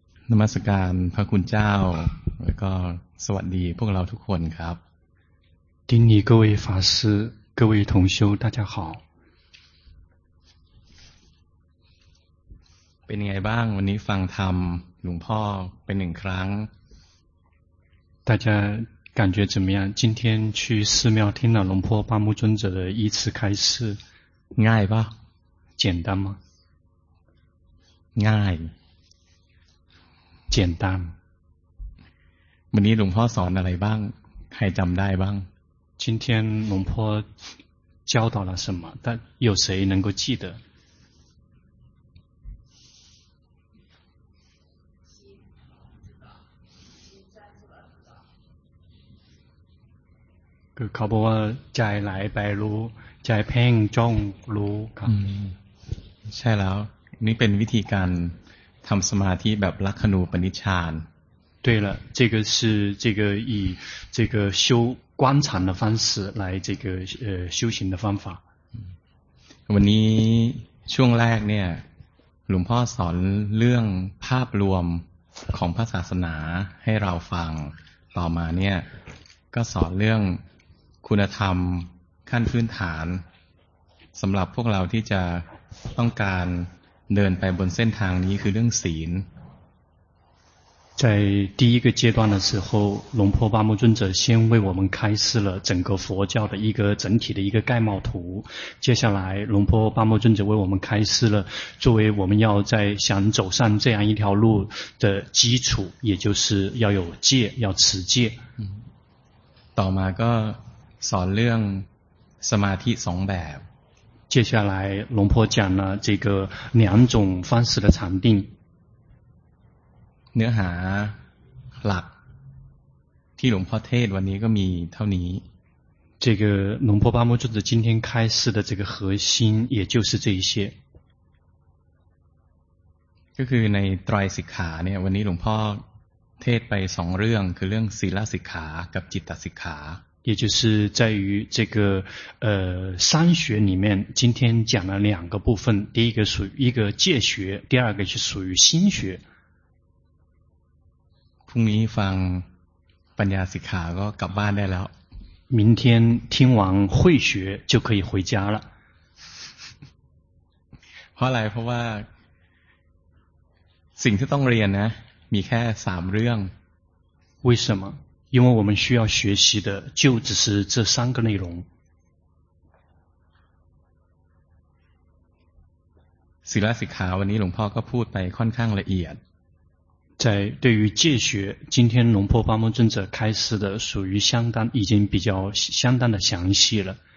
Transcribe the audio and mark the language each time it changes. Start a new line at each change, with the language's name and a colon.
Thai: นมัสการพระคุณเจ้าแล้วก็สวัสดีพวกเราทุกคนครับ
Chinese: 丁尼各位法师各位同修大家好
Thai: เป็นไงบ้างวันนี้ฟังธรรมหลวงพ่อเป็นหนึ่งครั้ง
Chinese: 大家感觉怎么样今天去寺庙听了龙婆巴木尊者的一次开示
Thai: ง่ายป่ะ
Chinese: 简单吗
Thai: ง่ายวันนี้หลวงพ่อสอนอะไรบ้างใครจำได้บ้าง
Chinese: 今天龙婆教导了什么但有谁能够记得
Thai: คือเขาบอกว่าใจไหลไปรู้ใจเพ่งจ้องรู้ครับ ใช่แล้วนี่เป็นวิธีการทำสมาธิแบบลักขณูปนิชฌาน
Chinese: 对了这个是这个以这个修观禅的方式来这个修行的方法
Thai: วันนี้ช่วงแรกเนี่ยหลวงพ่อสอนเรื่องภาพรวมของพระศาสนาให้เราฟังต่อมาเนี่ยก็สอนเรื่องคุณธรรมขั้นพื้นฐานสำหรับพวกเราที่จะต้องการเดินไปบนเส้นทางนี้คือเรื่องศีล
Chinese: 在第一个阶段的时候龙婆巴木尊者先为我们开示了整个佛教的一个整体的一个概貌图接下来龙婆巴木尊者为我们开示了作为我们要在想走上这样一条路的基础也就是要有戒要持戒
Thai: ต่อมาก็สอนเรื่องสมาธิสองแบบ
Chinese: 接下来龙婆讲了这个两种方式的禅定
Thai: เนื้อหาหลักที่หลวงพ่อเทศวันนี้ก็มีเท่านี้
Chinese: 这个龙婆巴木尊者今天开示的这个核心也就是这一些
Thai: ก็คือในไตรสิกขาเนี่ยวันนี้หลวงพ่อเทศไปสองเรื่องคือเรื่องศีลสิกขากับจิตสิกขา
Chinese: 也就是在于这个三学里面今天讲了两个部分第一个属于一个戒学第二个是属于心学
Thai: พรุ่งนี้ฟังปัญญาสิกขาก็กลับบ้านได้แล้ว
Chinese: 明天听完慧学就可以回家了
Thai: เพราะอะไรเพราะว่าสิ่งที่ต้องเรียนนะมีแค่สามเรื่อง
Chinese: 为什么因为我们需要学习的就只是这三个内容
Thai: ศีลสิกขาวันนี้หลวงพ่อก็พูดไปค่อนข้างละเอียด
Chinese: 在对于戒学今天龙婆巴木尊者开示的属于相当已经比较相当的详细了